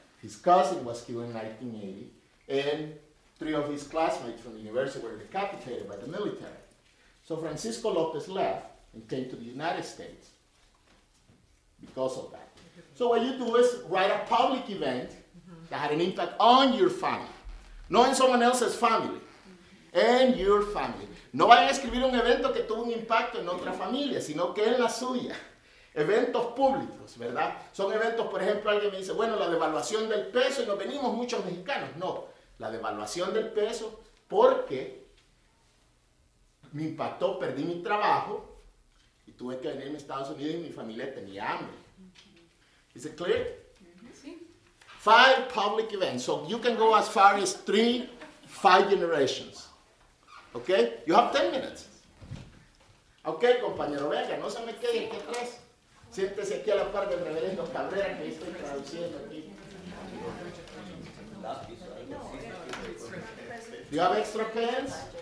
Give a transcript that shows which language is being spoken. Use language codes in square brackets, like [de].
[en] His cousin was killed in 1980, and 3 of his classmates from the university were decapitated by the military. So Francisco Lopez left and came to the United States because of that. So what you do is write a public event that had an impact on your family, not in someone else's family, and your family. [es] No vayan a escribir un evento que tuvo un impacto en otra familia, sino que en la suya. Eventos públicos, ¿verdad? Son eventos, por ejemplo, alguien me dice, bueno, la devaluación del peso y nos venimos muchos mexicanos. No, la devaluación del peso porque me impactó, perdí mi trabajo y tuve que venir a Estados Unidos y mi familia tenía hambre. ¿Es claro? [en] Five public events. So you can go as far as 3, 5 generations. Okay? You have 10 minutes. [es] Okay, compañero, venga, no se me quede aquí atrás. Siéntese aquí a la par del reverendo Cabrera que estoy traduciendo aquí. [en] Do you have extra pens?